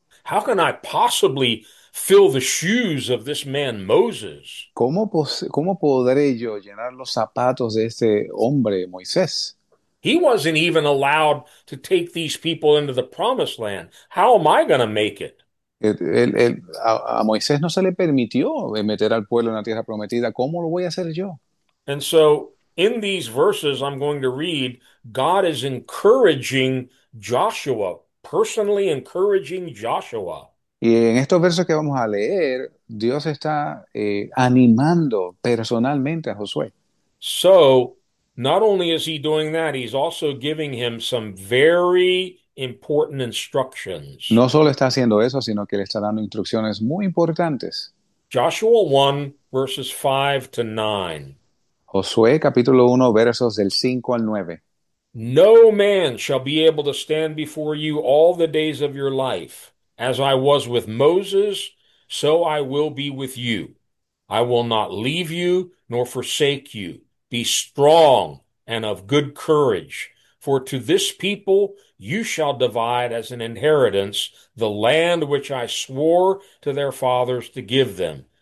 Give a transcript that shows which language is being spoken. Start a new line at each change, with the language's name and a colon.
English: How can I possibly fill the shoes of this man Moses?
Spanish: ¿Cómo podré yo llenar los zapatos de este hombre, Moisés?
English: He wasn't even allowed to take these people into the promised land. How am I going to make it?
Spanish: A Moisés no se le permitió meter al pueblo en la tierra prometida. ¿Cómo lo voy a hacer yo?
English: And so, in these verses I'm going to read, God is encouraging Joshua, personally encouraging Joshua.
Spanish: Y en estos versos que vamos a leer, Dios está animando personalmente a Josué.
English: So, not only is he doing that, he's also giving him some very important instructions.
Spanish: No solo está haciendo eso, sino que le está dando instrucciones muy importantes.
English: Joshua 1, verses 5 to 9.
Spanish: Josué capítulo 1, versos del 5 al 9.
English: No man shall be able to stand before you all the days of your life. As I was with Moses, so I will be with you. I will not leave you nor forsake you. Be strong and of good courage, for to this people you shall divide as an inheritance the land which I swore to their fathers to give them.